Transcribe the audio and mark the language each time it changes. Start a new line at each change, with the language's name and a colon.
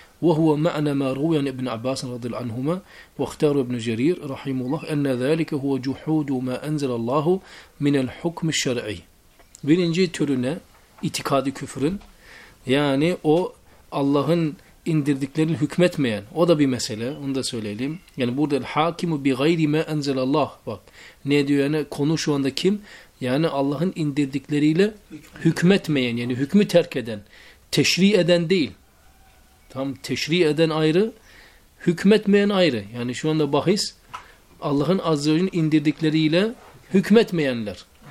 Arabic: وَهُوَ مَعْنَ مَا رُوِيَنْ اِبْنِ عَبَّاسٍ رَضِيَ عَنْهُمَا وَاخْتَارُ اِبْنِ جَرِيرْ رَحِيمُ اللّٰهِ اَنَّ ذَٰلِكَ هُوَ جُحُودُ مَا اَنْزَلَ اللّٰهُ مِنَ الْحُكْمِ الشَّرْعِي.
Turkish: Birinci türü ne? İtikadi küfrün. Yani o Allah'ın indirdiklerini hükmetmeyen. O da bir mesele. Onu da söyleyelim. Yani burada
Arabic: الْحَاكِمُ بِغَيْرِ مَا اَنْزَلَ اللّٰهُ.
Turkish: Bak ne diyor yani konu şu anda kim? Yani Allah'ın indirdikleriyle hükmetmeyen, yani hükmü terk eden, teşri eden değil. Tam teşri eden ayrı, hükmetmeyen ayrı. Yani şu anda bahis Allah'ın azze ve celle'nin indirdikleriyle hükmetmeyenler.